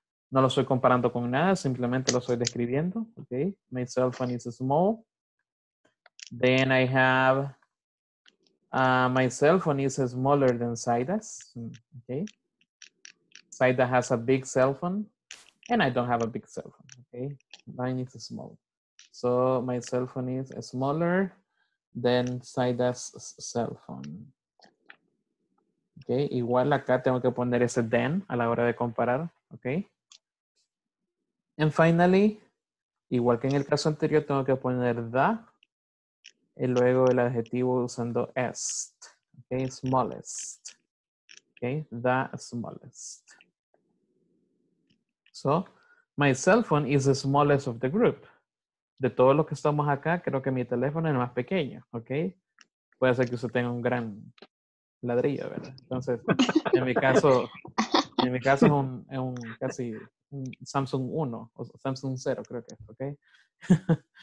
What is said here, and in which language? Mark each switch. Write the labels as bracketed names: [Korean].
[Spanish] No lo estoy comparando con nada, simplemente lo estoy describiendo. [English] Okay, my cell phone is small. Then I have my cell phone is smaller than Saida's. Okay, Saida has a big cell phone. And I don't have a big cell phone, okay? Mine is small. So my cell phone is smaller than Saida's cell phone. [Spanish] Okay, igual acá tengo que poner ese then a la hora de comparar, okay? [English] And finally, [Spanish] igual que en el caso anterior, tengo que poner the, y luego el adjetivo usando est, okay? [English] Smallest, okay? The smallest. So, my cell phone is the smallest of the group. [Spanish] De todos los que estamos acá, creo que mi teléfono es el más pequeño, ¿ok? Puede ser que usted tenga un gran ladrillo, ¿verdad? Entonces, en mi caso es un casi un Samsung 1 o Samsung 0, creo que es, ¿ok?